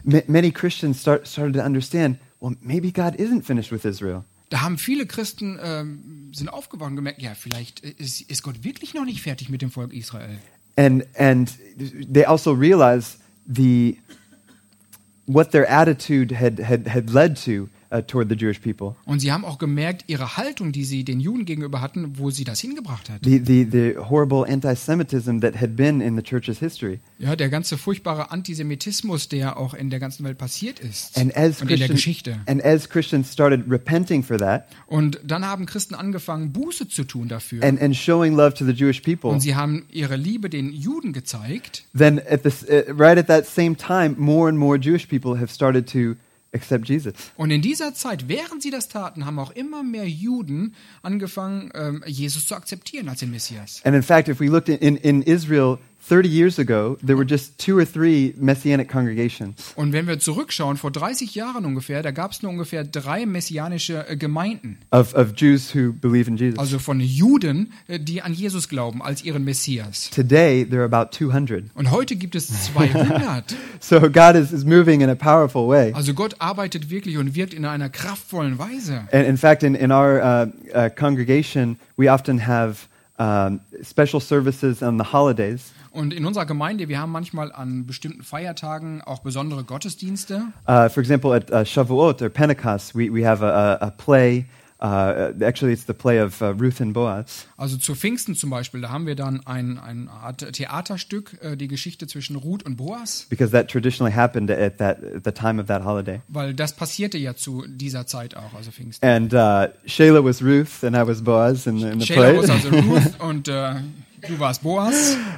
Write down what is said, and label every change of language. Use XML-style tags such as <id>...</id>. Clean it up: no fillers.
<en>Many Christians started to understand, well, maybe God isn't finished with Israel.</en> <de>Da haben viele Christen sind aufgewacht und gemerkt, ja, vielleicht ist Gott wirklich noch nicht fertig mit dem Volk Israel.</de> <en>And they also realize what their attitude had led to toward the Jewish people.</en> <de>Und sie haben auch gemerkt, ihre Haltung, die sie den Juden gegenüber hatten, wo sie das hingebracht hat.</de> <en>The horrible antisemitism that had been in the church's history.</en> <de>Ja, der ganze furchtbare Antisemitismus, der auch in der ganzen Welt passiert ist.</de> <en>And as</en> <de>und in der Geschichte.</de> <en>And as Christians started repenting for that.</en> <de>Und dann haben Christen angefangen, Buße zu tun dafür.</de> <en>And showing love to the Jewish people.</en> <de>Und sie haben ihre Liebe den Juden gezeigt.</de> <en>Then right at that same time, more and more Jewish people have started to except Jesus.</en> <de>Und in dieser Zeit, während sie das taten, haben auch immer mehr Juden angefangen, Jesus zu akzeptieren als den Messias.</de> <en>And in fact, if we looked in Israel 30 years ago, there were just two or three messianic congregations.</en> <de>Und wenn wir zurückschauen, vor 30 Jahren ungefähr, da gab es nur ungefähr 3 messianische Gemeinden.</de> <en>Of Jews who believe in Jesus.</en> <de>Also von Juden, die an Jesus glauben als ihren Messias.</de> <en>Today there are about 200.</en> <de>Und heute gibt es 200.</de> <en>So God is moving in a powerful way.</en> <de>Also Gott arbeitet wirklich und wirkt in einer kraftvollen Weise.</de> <en>And in fact, in our congregation, we often have special services on the holidays.</en> <de>Und in unserer Gemeinde, wir haben manchmal an bestimmten Feiertagen auch besondere Gottesdienste.</de> <en>For example, at Shavuot or Pentecost, we have a play. Actually, it's the play of Ruth and Boaz.</en> <de>Also zu Pfingsten zum Beispiel, da haben wir dann ein Art Theaterstück, die Geschichte zwischen Ruth und Boaz.</de> <en>Because that traditionally happened at the time of that holiday.</en> <de>Weil das passierte ja zu dieser Zeit auch, also Pfingsten.</de> <en>And Shayla was Ruth and I was Boaz in the Shayla play.</en> <de>Shayla was also Ruth und du warst Boaz.</de>